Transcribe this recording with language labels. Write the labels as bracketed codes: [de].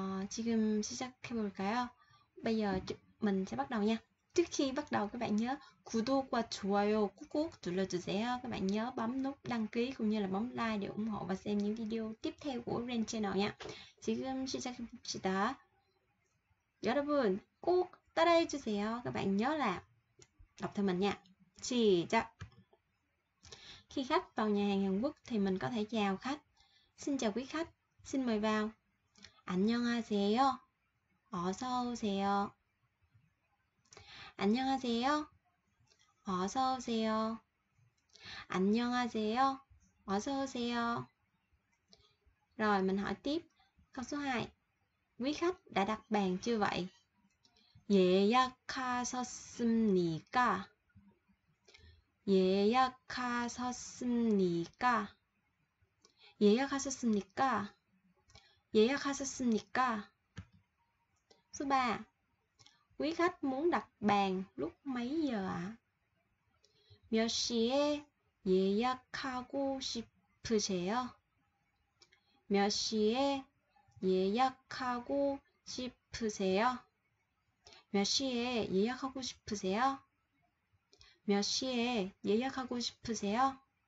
[vi] Chị xin chào, bây giờ mình sẽ bắt đầu nha. Trước khi bắt đầu, các bạn nhớ [ko] 구독과 좋아요 꾹꾹 눌러주세요. [vi] Các bạn nhớ bấm nút đăng ký cũng như là bấm like để ủng hộ và xem những video tiếp theo của Ren Channel nha. [ko] 지금 시작해봅시다. 여러분, 꼭 따라해주세요. [vi] Các bạn nhớ là đọc theo mình nha. [ko] 시작. [vi] Khi khách vào nhà hàng Hàn Quốc thì mình có thể chào khách. Xin chào quý khách, xin mời vào. [ko] 안녕하세요. 어서 오세요. 안녕하세요. 어서 오세요. 안녕하세요. 어서 오세요. [vi] Rồi mình hỏi tiếp. Câu số 2. Quý khách đã đặt bàn chưa vậy? [ko] 예약하셨습니까? 예약하셨습니까? 예약하셨습니까? 예약하셨습니까? [vi] Số 3. Quý khách muốn đặt bàn lúc mấy giờ ạ? [ko] 몇 시에 예약하고 싶으세요? 몇 시에 예약하고 싶으세요? 몇 시에 예약하고 싶으세요? 몇 시에 예약하고 싶으세요?